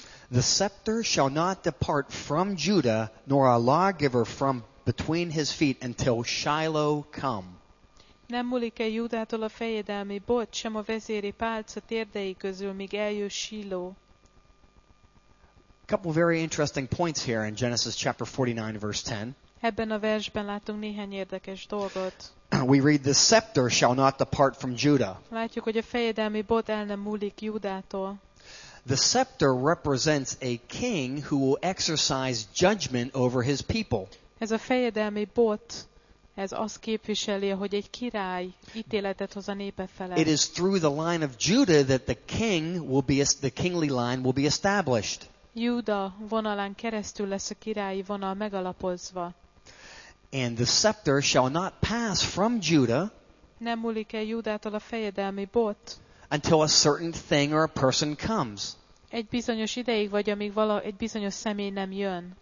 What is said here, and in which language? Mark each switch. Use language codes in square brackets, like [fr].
[en] The scepter shall not depart from Judah, nor a lawgiver from between his feet until Shiloh come. [hu] Nem múlik-e Júdától a fejedelmi bot, sem a vezéri pálca térdei közül, míg eljöjj Shiloh. [en] Couple very interesting points here in Genesis chapter 49 verse 10. [hu] Ebben a versben látunk néhány érdekes dolgot. [en] We read the scepter shall not depart from Judah. [hu] Látjuk, hogy a fejedelmi bot el nem múlik Júdától. [en] The scepter represents a king who will exercise judgment over his people. [hu] Ez a fejedelmi bot, ez azt képviseli, hogy egy király ítéletet hoz a népe felett. [en] It is through the line of Judah that the kingly line will be established. [hu] Júda vonalán keresztül lesz a királyi vonal megalapozva. [en] And the scepter shall not pass from Judah. [hu] Nem múlik el Júdától a fejedelmi bot. [en] Until a certain thing or a person comes. [hu] Egy bizonyos ideig vagy amíg egy bizonyos személy nem jön.